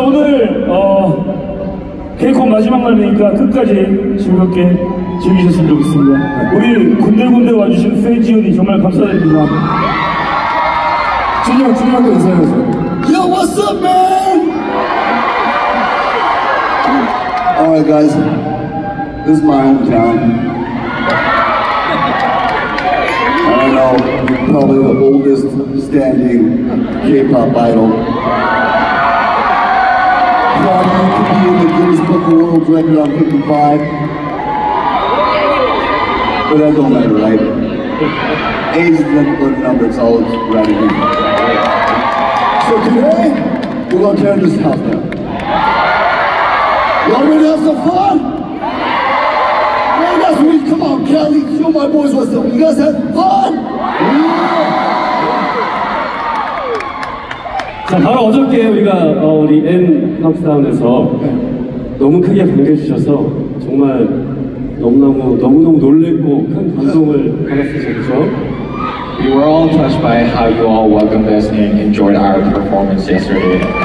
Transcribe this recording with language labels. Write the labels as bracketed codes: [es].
[ko] 오늘 개콘 마지막 날이니까 끝까지 즐겁게 즐기셨으면 좋겠습니다. 우리 군데군데 와주신 팬지훈이 정말 감사드립니다. 준영한테 인사해주세요. [en] Yo, what's up, man? Alright guys, this is my hometown. And I know you're probably the oldest standing K-pop idol. Probably to be in the Guinness Book of World Record on 55. But that don't matter, right? Age is an important number, it's all gratitude. So today, we're gonna tear this house down. Y'all ready to have some fun? Yeah! Man, that's me. Come on, Kelly. Show my boys what's up. You guys have fun? Yeah! [ko] 자, 바로 어저께 우리가 우리 N 카운트다운에서 너무 크게 반겨주셔서 정말 너무너무 놀랬고 큰 감동을 받았었죠, 그쵸? [en] We were all touched by how you all welcomed us and enjoyed our performance yesterday.